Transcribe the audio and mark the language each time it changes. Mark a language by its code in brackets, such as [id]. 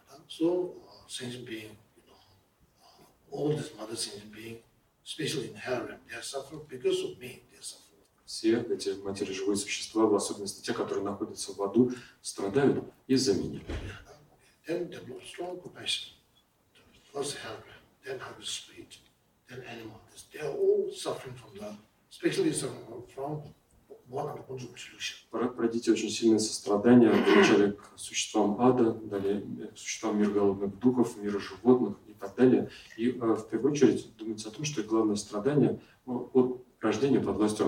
[en] So sentient being, you know, all these mother sentient being, especially in hell realm, they are suffering because of me. They are suffering. [ru] Все эти матери живые существа, в особенности те, которые находятся в аду, страдают из-за меня. [en] Then the strong compassion, the first hell realm, then hell spirit, then animal. They are all suffering from that, especially from [ru] пройдите очень сильное сострадание вначале к существам ада, далее к существам мира голодных духов, мира животных и так далее. И в первую очередь думайте о том, что главное страдание от рождения под властью